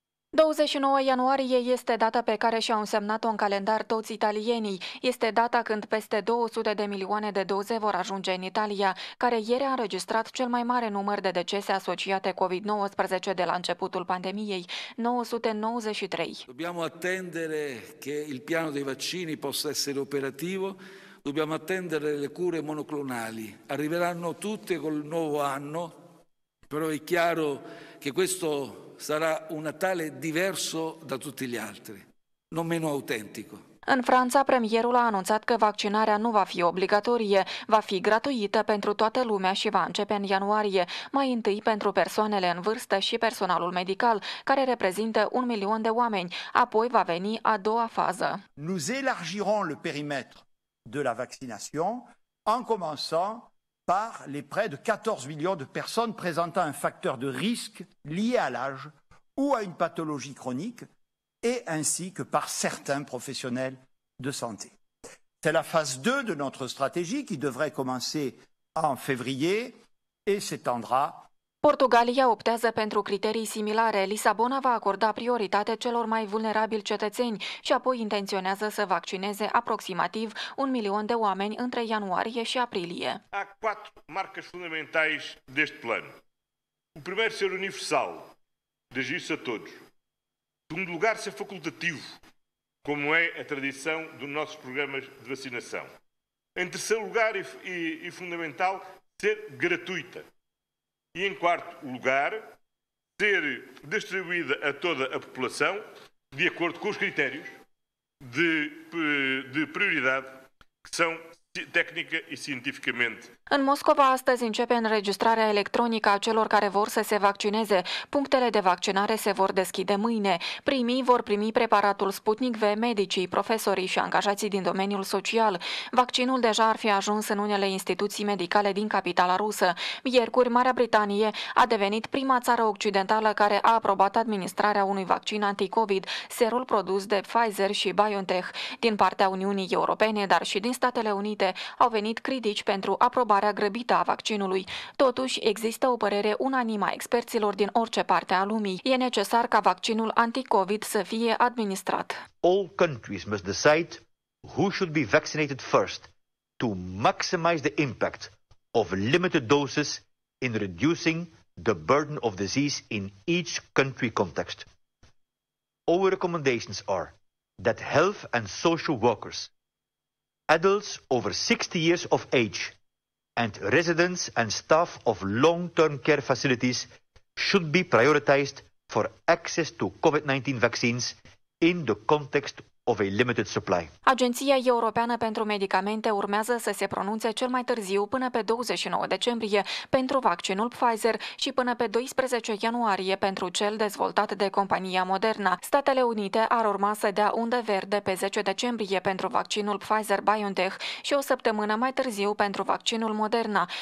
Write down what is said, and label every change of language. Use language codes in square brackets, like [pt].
[ro] 29 ianuarie este data pe care și-au însemnat-o în calendar toți italienii. Este data când peste 200 de milioane de doze vor ajunge în Italia, care ieri a înregistrat cel mai mare număr de decese asociate COVID-19 de la începutul pandemiei, 993. [it] Dobbiamo attendere che il piano dei vaccini possa essere operativo. Dobbiamo attendere le cure monoclonali. Arriveranno tutte col nuovo anno, però è chiaro che questo sarà un Natale diverso da tutti gli altri, non meno autentico. [ro] În Franța, premierul a anunțat că vaccinarea nu va fi obligatorie, va fi gratuită pentru toată lumea și va începe în ianuarie, mai întâi pentru persoanele în vârstă și personalul medical, care reprezintă 1 milion de oameni, apoi va veni a doua fază. [fr] Nous élargirons le périmètre de la vaccination en commençant par les près de 14 millions de personnes présentant un facteur de risque lié à l'âge ou à une pathologie chronique et ainsi que par certains professionnels de santé. C'est la phase 2 de notre stratégie qui devrait commencer en février et s'étendra [ro] Portugalia optează pentru criterii similare. Lisabona va acorda prioritate celor mai vulnerabili cetățeni și apoi intenționează să vaccineze aproximativ 1 milion de oameni între ianuarie și aprilie. [pt] Há quatro marcas fundamentais deste plano. O primeiro ser universal, dirigir-se a todos. O segundo lugar ser facultativo, como é a tradição dos nossos programas de vacinação. Em terceiro lugar e fundamental, ser gratuita. E em quarto lugar, ser distribuída a toda a população de acordo com os critérios de prioridade que são [ro] tehnică și [pt] științificamente. [ro] În Moscova astăzi începe înregistrarea electronică a celor care vor să se vaccineze. Punctele de vaccinare se vor deschide mâine. Primii vor primi preparatul Sputnik V, medicii, profesorii și angajații din domeniul social. Vaccinul deja ar fi ajuns în unele instituții medicale din capitala rusă. Miercuri, Marea Britanie a devenit prima țară occidentală care a aprobat administrarea unui vaccin anticovid, serul produs de Pfizer și BioNTech. Din partea Uniunii Europene, dar și din Statele Unite, au venit critici pentru aprobarea grăbită a vaccinului. Totuși, există o părere unanimă a experților din orice parte a lumii. E necesar ca vaccinul anti-COVID să fie administrat. [en] All countries must decide who should be vaccinated first to maximize the impact of limited doses in reducing the burden of disease in each country context. Our recommendations are that health and social workers, adults over 60 years of age and residents and staff of long-term care facilities should be prioritized for access to COVID-19 vaccines in the context of a limited supply. [ro] Agenția Europeană pentru Medicamente urmează să se pronunțe cel mai târziu până pe 29 decembrie pentru vaccinul Pfizer și până pe 12 ianuarie pentru cel dezvoltat de compania Moderna. Statele Unite ar urma să dea undă verde pe 10 decembrie pentru vaccinul Pfizer-BioNTech și o săptămână mai târziu pentru vaccinul Moderna.